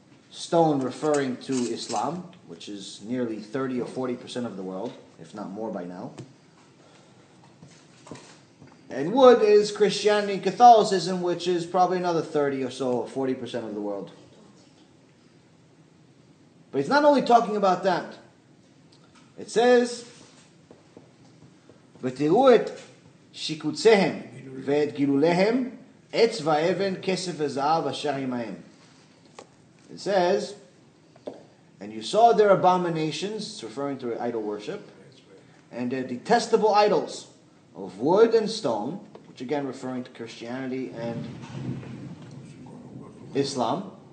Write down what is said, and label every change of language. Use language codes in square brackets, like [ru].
[en] Stone referring to Islam, which is nearly 30 or 40% of the world, if not more by now. And wood is Christianity and Catholicism, which is probably another 30 or so, 40% of the world. But it's not only talking about that. It says, [he] ותראו את שיקוציהם ואת גילוליהם, עץ ואבן, כסף וזהב אשר עמהם. [en] It says, and you saw their abominations, it's referring to idol worship, and their detestable idols of wood and stone, which again referring to Christianity and Islam.